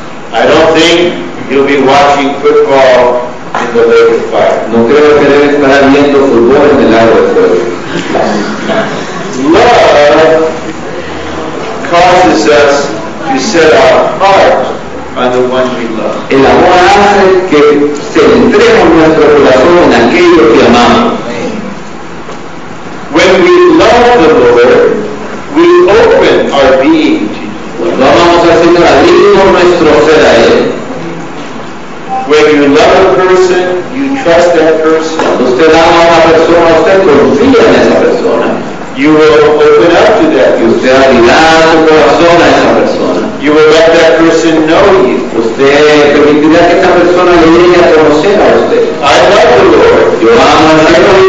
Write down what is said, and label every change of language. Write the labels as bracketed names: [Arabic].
[English] I don't think you'll be watching football in the lake of fire. [Spanish] No creo que debes estar viendo fútbol en el agua de fuego. [English] Love causes us to set our heart on the one we love. [Spanish] El amor hace que centremos nuestro corazón en aquello que amamos. [English] When we love the Lord, we open our being. [Spanish] Cuando amamos al Señor, abrimos nuestro ser a Él. [English] When you love a person, you trust that person. [Spanish] Cuando usted ama a una persona, usted confía en esa persona. [English] You will open up to that. [Spanish] Y usted abrirá su corazón a esa persona. [English] You will let that person know you. [Spanish] Usted permitirá que esa persona le llegue a conocer a usted. [English] I love the Lord. [Spanish] Yo amo al Señor.